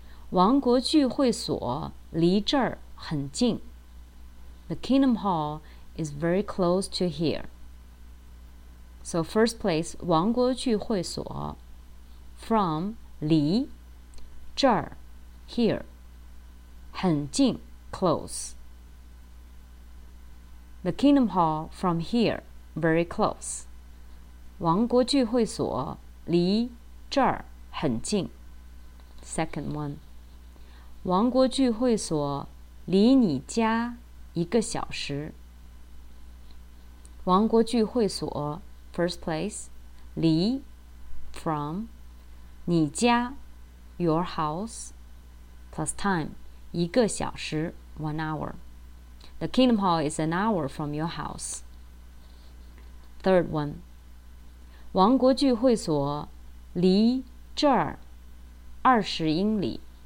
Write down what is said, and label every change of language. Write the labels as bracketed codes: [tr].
[zh] 王国聚会所离这儿很近。 [en] The Kingdom Hall is very close to here. So first place, 王国聚会所 from 离这儿 here 很近 close. The Kingdom Hall from here, very close. [zh] 王国聚会所离这儿很近。 [en] Second one. [zh] 王国聚会所离你家一个小时。 [en] 王国聚会所 first place, 离 from 你家 your house plus time, 一个小时 1 hour. The Kingdom Hall is 1 hour from your house. Third one. [zh] 王国聚会所离这儿20英里。